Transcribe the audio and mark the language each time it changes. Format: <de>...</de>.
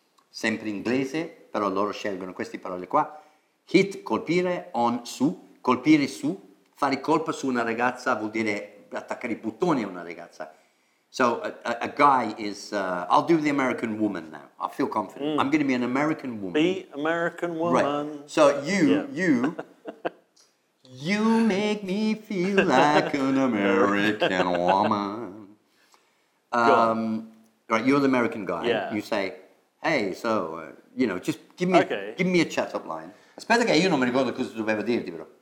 <it>Sempre in inglese, però loro scelgono queste parole qua. Hit, colpire, on, su. Colpire su. Fare colpo su una ragazza vuol dire attaccare I bottoni a una ragazza.</it> <en>So a guy is, I'll do the American woman now. I feel confident. Mm. I'm going to be an American woman. Be American woman. Right. So you make me feel like an American woman. Right, you're the American guy. Yeah. You say, hey, so, you know, just give me a chat up line.</en> <it>Aspetta che io non mi ricordo cosa dovevo dirti, bro.</it>